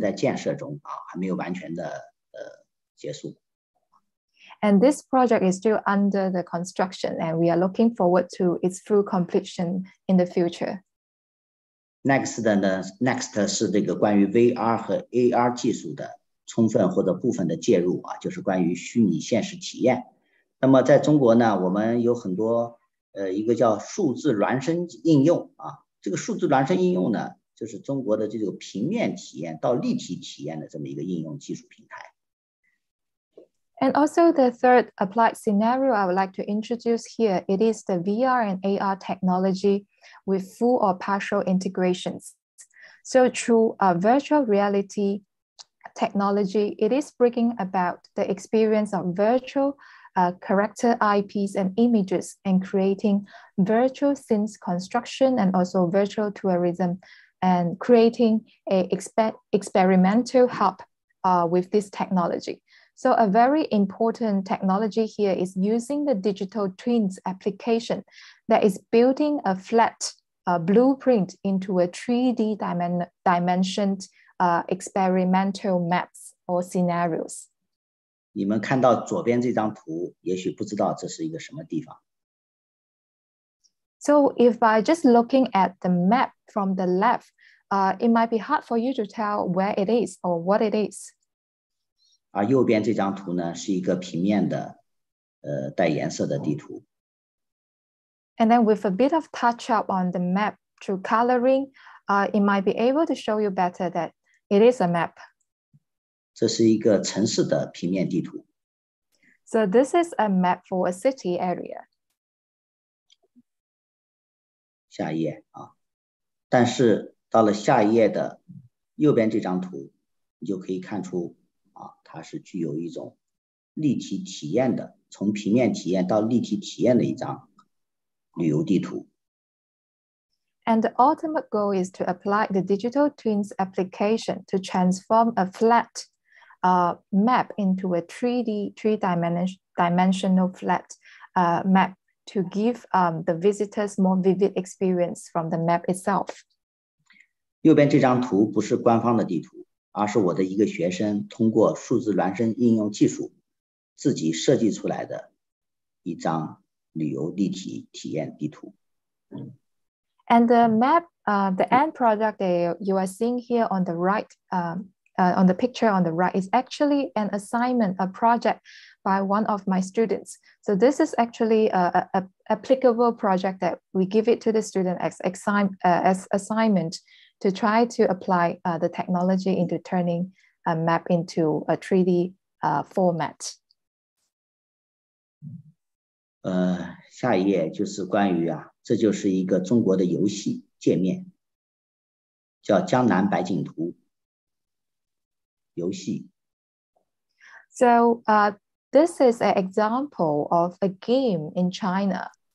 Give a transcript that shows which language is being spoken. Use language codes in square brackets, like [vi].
[zh] 这个工作呢，现在正在建设中啊，还没有完全的结束。 [en] And this project is still under the construction, and we are looking forward to its full completion in the future. [zh] Next 是这个关于 VR 和 AR 技术的充分或者部分的介入啊，就是关于虚拟现实体验。那么在中国呢，我们有很多一个叫数字孪生应用啊，这个数字孪生应用呢，就是中国的这个平面体验到立体体验的这么一个应用技术平台。 [en] And also the third applied scenario I would like to introduce here, it is the VR and AR technology with full or partial integrations. So through a virtual reality technology, it is bringing about the experience of virtual character IPs and images and creating virtual scenes construction and also virtual tourism and creating a experimental hub with this technology. So a very important technology here is using the digital twins application that is building a flat blueprint into a 3D dimensioned experimental maps or scenarios. [zh] 你们看到左边这张图，也许不知道这是一个什么地方。 [en] So if by just looking at the map from the left, it might be hard for you to tell where it is or what it is. [zh] 而右边这张图呢，是一个平面的，带颜色的地图。And [en] then with a bit of touch up on the map through coloring, it might be able to show you better that it is a map. [zh] 这是一个城市的平面地图。So [en] this is a map for a city area. [zh] 下一页啊，但是到了下一页的右边这张图，你就可以看出。它是具有一种立体体验的，从平面体验到立体体验的一张旅游地图。And [en] the ultimate goal is to apply the digital twins application to transform a flat map into a 3D, three-dimensional flat map to give the visitors more vivid experience from the map itself. [zh] 右边这张图不是官方的地图。而是我的一个学生通过数字孪生应用技术自己设计出来的一张旅游立体体验地图。 [en] And the map, the end product that you are seeing here on the right, on the picture on the right is actually an assignment, a project by one of my students. So this is actually a applicable project that we give it to the student as assignment to try to apply the technology into turning a map into a 3D format. [zh] 下一页就是关于啊，这就是一个中国的游戏界面，叫江南百景图游戏。 [en] So this is an example of a game in China.